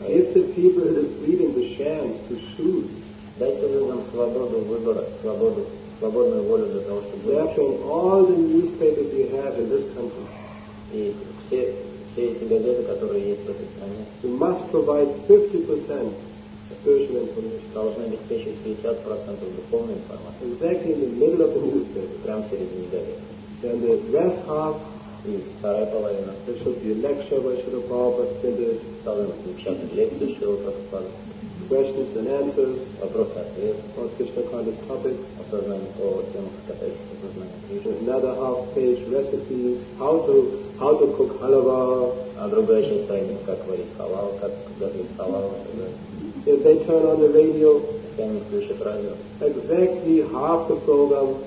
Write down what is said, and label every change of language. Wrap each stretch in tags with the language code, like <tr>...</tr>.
<en>If the people are given the chance to choose.</en> <ru>Дайте людям свободу выбора, свободную волю для того, чтобы.</ru> <en>Therefore, all the newspapers you have in this country.</en> <ru>И все эти газеты, которые есть в этой стране.</ru> <en>You must provide 50%. Personal information.</en> <ru>Должны обеспечить 50% духовной информации.</ru> <en>Exactly in the middle of the newspaper.</en> <ru>Прямо в середине газеты.</ru> <en>Then the rest half.</en> <ru>И вторая половина.</ru> <en>There should be a lecture by Шрила Прабхупада. Then there</en> <ru>должны быть напечатанные лекции Шрилы Прабхупады.</ru> <en>Questions and answers.</en> <ru>Вопросы и ответы.</ru> <en>On Krishna conscious topics.</en> <ru>Осознание о темах, касающихся сознания Кришны.</ru> <en>Another half page recipes. How to cook halwa.</en> <ru>А другая часть страниц, как варить халал, как готовить халал.</ru> <en>If they turn on the radio, exactly half the program,</en>